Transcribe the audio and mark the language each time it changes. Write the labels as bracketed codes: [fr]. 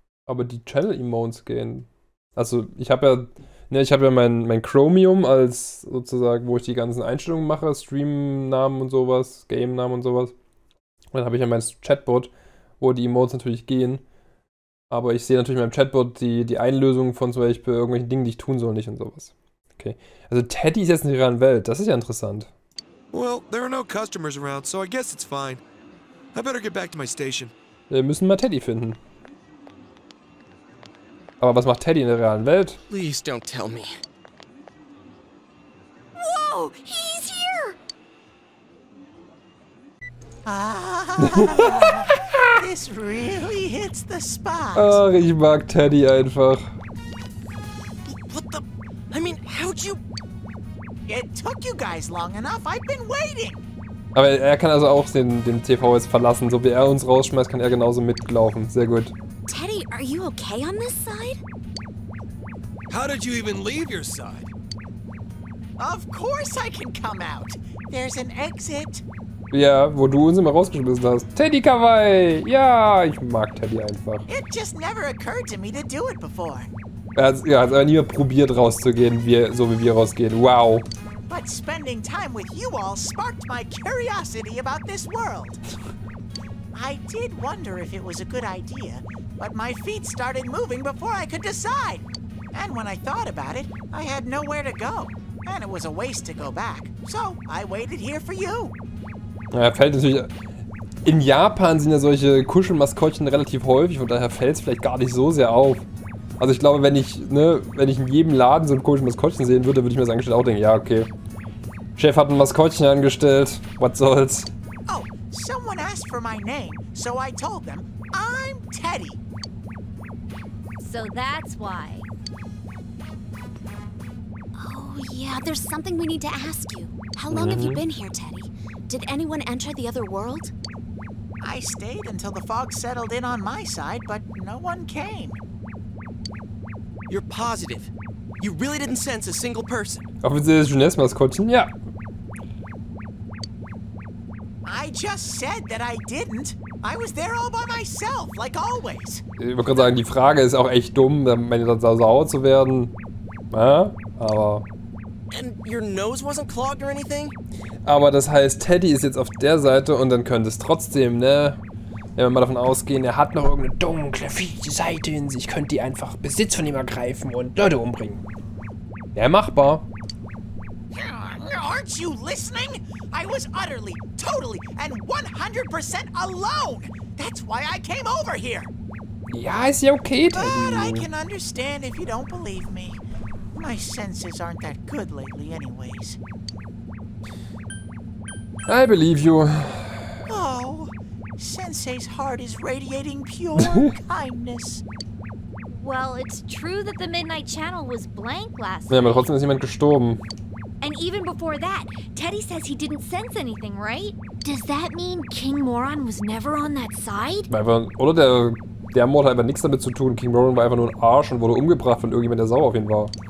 [de] Aber die Channel Emotes gehen. Also ich habe ja mein Chromium als sozusagen, wo ich die ganzen Einstellungen mache, Stream-Namen und sowas, Game-Namen und sowas. Und dann habe ich ja mein Chatbot, wo die Emotes natürlich gehen. Aber ich sehe natürlich in meinem Chatbot die Einlösung von zum Beispiel irgendwelchen Dingen, die ich tun soll nicht und sowas. Okay. Also Teddy ist jetzt in der realen Welt. Das ist ja interessant. [en] Well, there are no customers around, so I guess it's fine. I better get back to my station. [de] Wir müssen mal Teddy finden. Aber was macht Teddy in der realen Welt? [en] Please don't tell me. Wow, he's here. This really hits the spot. [de] Ach, ich mag Teddy einfach. [en] What the? I mean, how'd you? It took you guys long enough. I've been waiting. [de] Aber er kann also auch den TV jetzt verlassen. So wie er uns rausschmeißt, kann er genauso mitlaufen. Sehr gut. [en] Teddy, are you okay on this side? How did you even leave your side? Of course I can come out. There's an exit. [de] Ja, wo du uns immer rausgeschmissen hast. Teddy Kawaii! Ja, ich mag Teddy einfach. [en] It just never occurred to me to do it before. [de] Er hat aber nie mehr probiert rauszugehen, so wie wir rausgehen. [en] Wow. But spending time with you all sparked my curiosity about this world. I did wonder if it was a good idea, but my feet started moving before I could decide. And when I thought about it, I had nowhere to go. And it was a waste to go back. So I waited here for you. [de] Ja, fällt natürlich. In Japan sind ja solche Kuschelmaskottchen relativ häufig, von daher fällt es vielleicht gar nicht so sehr auf. Also ich glaube, wenn ich in jedem Laden so ein Kuschelmaskottchen sehen würde, würde ich mir das angestellt auch denken, ja, okay. Chef hat ein Maskottchen angestellt. Was soll's? [en] Oh, someone asked for my name, so I told them, I'm Teddy. So that's why. Oh yeah, there's something we need to ask you. How long have you been here, Teddy? Did anyone enter the other world? I stayed until the fog settled in on my side, but no one came. You're positive. You really didn't sense a single person. [de] Offensichtlich ist Jeunesse Maskottchen, ja. [en] I just said that I didn't. I was there all by myself, like always. [de] Ich wollte gerade sagen, die Frage ist auch echt dumm, wenn ihr dann so sauer zu werden. Ja, aber... [en] And your nose wasn't clogged or anything? [de] Aber das heißt, Teddy ist jetzt auf der Seite und dann könnte es trotzdem, ne? Wenn wir mal davon ausgehen, er hat noch irgendeine dunkle, fiese Seite in sich, könnte die einfach Besitz von ihm ergreifen und Leute umbringen. Ja, machbar. [en] Aren't you listening? I was utterly, totally and 100% alone! That's why I came over here! [de] Ja, ist ja okay, Teddy. [en] But I can understand if you don't believe me. My senses aren't that good lately anyways. I believe you. Oh, Sensei's heart is radiating pure kindness. Well, it's true that the Midnight Channel was blank last [de] night. Ja, aber trotzdem ist jemand gestorben. [en] And even before that, Teddy says he didn't sense anything, right? Does that mean King Moron was never on that side? [de] Oder der Mord hat einfach nichts damit zu tun. King Moron war einfach nur ein Arsch und wurde umgebracht von irgendjemand, der sauer auf ihn war.